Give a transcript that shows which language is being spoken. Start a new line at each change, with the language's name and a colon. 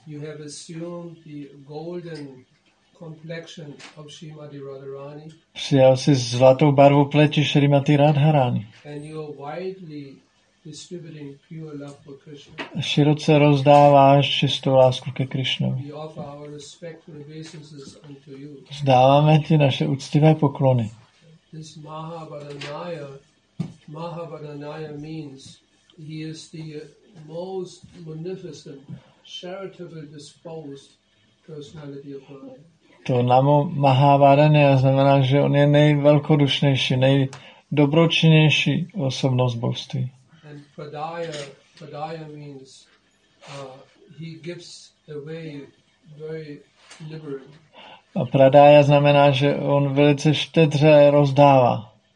English: You have assumed the golden complexion of Srimati Radharani.
Czech: Přijal jsi zlatou barvu pleti Srimati Radharani.
English: And you are widely distributing pure love for Krishna.
Czech: A široce rozdáváš čistou lásku ke Krishnovi.
English: We offer our respectful obeisances unto you.
Czech: Vzdáváme ti naše úctivé poklony.
English: This Mahavaranaya. Mahavaranaya means he is the most munificent, charitably disposed personality of God.
Czech: To namo Mahavaranaya znamená, že on je nejvelkodušnější, nejdobročinnější osobnost božství.
English: And Pradaya, Pradaya means he gives away very liberally.
Czech: A Pradaya znamená, že on velice štědře rozdává.